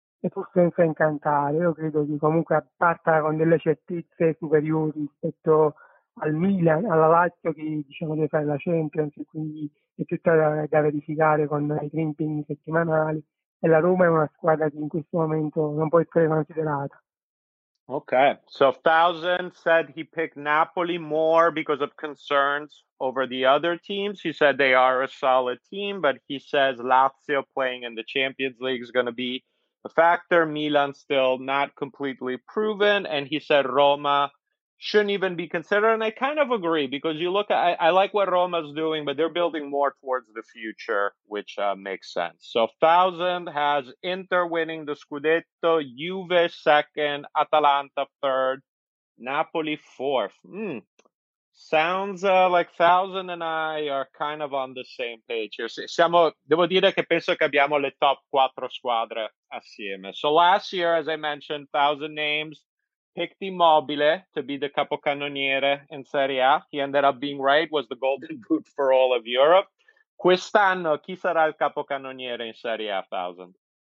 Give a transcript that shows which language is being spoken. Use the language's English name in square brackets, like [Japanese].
[Italian] E pur senza incantare, io credo che comunque parta con delle certezze superiori rispetto al Milan, alla Lazio che diciamo deve fare la Champions, e quindi è tutta da verificare con i tre impegni settimanali. E la Roma è una squadra che in questo momento non può essere considerata. [English] Okay, so Thousand said he picked Napoli more because of concerns over the other teams. He said they are a solid team, but he says Lazio playing in the Champions League is going to be a factor. Milan still not completely proven, and he said Roma shouldn't even be considered, and I kind of agree because you look at I like what Roma's doing, but they're building more towards the future, which makes sense. So Thousand has Inter winning the Scudetto, Juve second, Atalanta third, Napoli fourth. Sounds like Thousand and I are kind of on the same page here. [Italian] Siamo, devo dire che penso che abbiamo le top quattro squadre assieme. [English] So last year, as I mentioned, Thousand names picked Immobile to be the capocannoniere in Serie A. He ended up being right, was the golden boot for all of Europe. [Italian] Quest'anno chi sarà il capocannoniere in Serie A, Thousand?